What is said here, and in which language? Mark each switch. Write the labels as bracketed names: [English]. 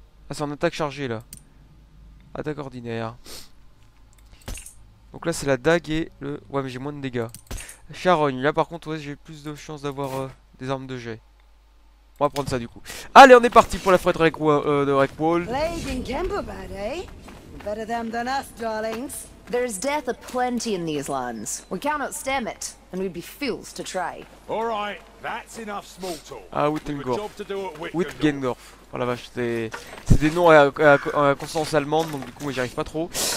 [French] Ah, c'est en attaque chargée là. Attaque ordinaire. Donc là, c'est la dague et le. Ouais, mais j'ai moins de dégâts. Charogne, là par contre, ouais, j'ai plus de chances d'avoir des armes de jet. On va prendre ça du coup. Allez, on est parti pour la forêt de Rekwall. [English] Plague in Kemperbad, eh? Better them than us, darlings. There's death aplenty in these lands. We cannot stem it, and we'd be fools to try. All right, that's enough small talk. Ah, Wittgendorf. Wittgendorf. [French] Oh la vache, c'est des noms à consonance allemande, donc du coup, moi, j'y arrive pas trop.